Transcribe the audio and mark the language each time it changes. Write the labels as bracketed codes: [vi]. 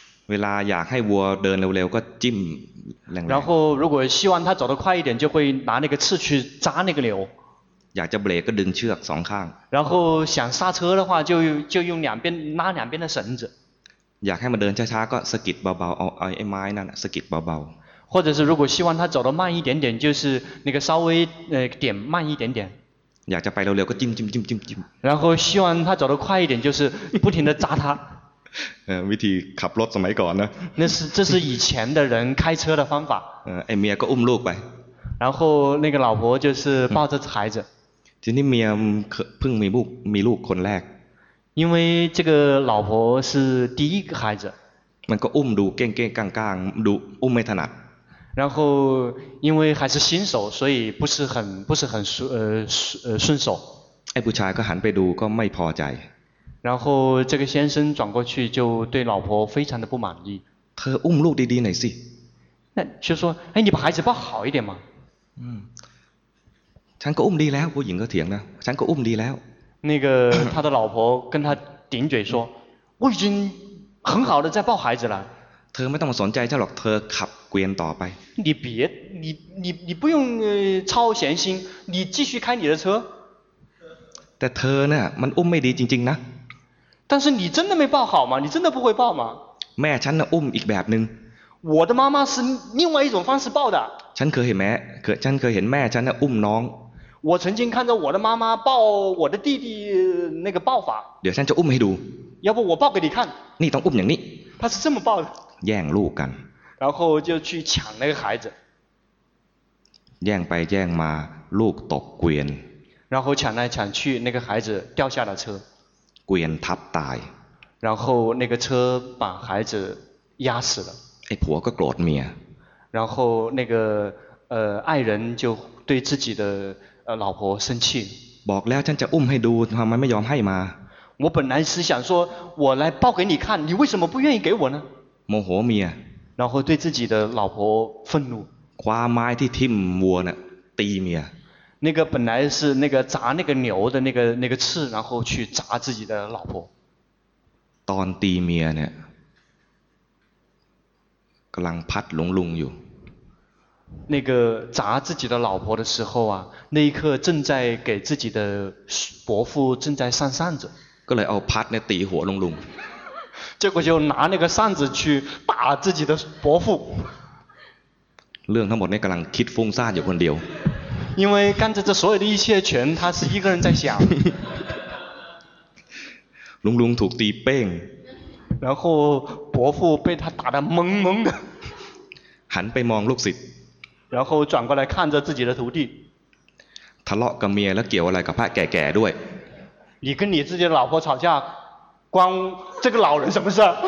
[th] เวลาอยากให้วัวเดินเร็วๆก็จิ้มแรงๆ [zh] 然后如果希望它走得快一点就会拿那个刺去扎那个牛 [th] อยากจะเบรกก็ดึงเชือกสองข้าง [zh] 然后想刹车的话就用两边拉两边的绳子 [th] อยากให้มันเดินช้าๆก็สะกิดเบาๆเอาไอ้ไม้นั่นสะกิดเบา [zh] ๆ或者是如果希望他走得慢一点点就是那个稍微点慢一点点 [th] อยากจะไปเร็วๆก็จิ้ม [zh] ๆๆๆ然后希望他走得快一点就是不停的扎他 [th] วิธีขับรถสมัยก่อนนะ [zh] 这是以前的人开车的方法 [th] ไอ้เมียก็อุ้มลูกไป [zh] 然后那个老婆就是抱着孩子 [th] ทีนี้เมียเพิ่งมีลูกคนแรก [zh] 因为这个老婆是第一个孩子 [th] มันก็อุ้มดูเก้งๆกลางๆดูอุ้มไม่ถนัด [zh] 然后因为还是新手所以不是很顺手 [th] ไอ้ผู้ชายก็หันไปดูก็ไม่พอใจ [zh] 然后这个先生转过去就对老婆非常的不满意 [th] เธออุ้มลูกดีๆหน่อยสิ [zh] 那就说哎你把孩子抱好一点嘛 [th] ฉันก็อุ้มดีแล้วผู้หญิงก็เถียงนะฉันก็อุ้มดีแล้ว [zh] 那个他的老婆跟他顶嘴说我已经很好的在抱孩子了 [th] เธอไม่ต้องสนใจเจ้าหรอกเธอขับเกวียนต่อไป [zh] 你别你不用操闲心你继续开你的车 [th] แต่เธอน่ะมันอุ้มไม่ดีจริงๆนะ [zh] 但是你真的没抱好吗你真的不会抱吗 [th] แม่ฉันน่ะอุ้มอีกแบบนึง [zh] 我的妈妈是另外一种方式抱的 [th] ฉันเคยเห็นแม่ฉันเคยเห็นแม่ฉันน่ะอุ้มน้อง [zh] 我曾经看着我的妈妈抱我的弟弟那个抱法 [th] เดี๋ยวฉันจะอุ้มให้ดู [zh] 要不我抱给你看 [th] นี่ต้องอุ้มอย่างนี้ [zh] 他是这么抱的 [th] แย่งลูกกัน [zh] 然后就去抢那个孩子 [th] แย่งไปแย่งมาลูกตกเกวียน [zh] 然后抢来抢去那个孩子掉下了车 [th] เกวียนทับตาย [zh] 然后那个车把孩子压死了 [th] ไอ้ผัวก็โกรธเมีย [zh] 然后那个爱人就对自己的老婆生气 [th] บอกแล้วฉันจะอุ้มให้ดูทำไมไม่ยอมให้มา [zh] 我本来是想说我来抱给你看你为什么不愿意给我呢 [th] โมโหเมีย [zh] 然后对自己的老婆愤怒 [th] คว้าไม้ที่ทิ่มวัวน่ะตีเมีย [zh] 那个本来是那个砸那个牛的那个刺然后去砸自己的老婆 [th] ตอนตีเมียเนี่ยกำลังพัดหลงลุงอยู่ [zh] 那个砸自己的老婆的时候啊那一刻正在给自己的伯父正在扇扇子 [th] ก็เลยเอาพัดเนี่ยตีหัวลุงลุง [zh] 结果就拿那个扇子去打自己的伯父 [th] เรื่องทั้งหมดนี่กำลังคิดฟุ้งซ่านอยู่คนเดียว [zh] 因为刚才这所有的一切全他是一个人在想 [th] ลุงลุงถูกตีเป้ง [zh] 然后伯父被他打得懵懵的 [th] หันไปมองลูกศิษย์ [zh] 然后转过来看着自己的徒弟 [th] ทะเลาะกับเมียแล้วเกี่ยวอะไรกับพระแก่ๆด้วย [zh] 你跟你自己的老婆吵架关这个老人什么事